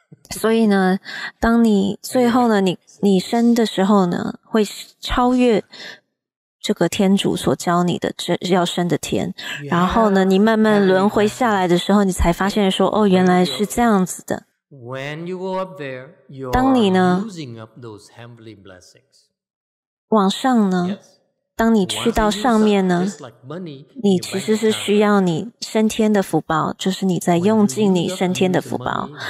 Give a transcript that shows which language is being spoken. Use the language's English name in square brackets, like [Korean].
[Chinese] 所以呢，当你最后呢，你升的时候呢，会超越这个天主所教你的要升的天。然后呢，你慢慢轮回下来的时候，你才发现说，哦，原来是这样子的。 [English] When you go up there, you are using up those heavenly blessings. [Chinese] 往上呢？ [English] Yes. [Chinese] 当你去到上面呢？ [English] Like、money, [Chinese] 你其实是需要你升天的福报，就是你在用尽你升天的福报。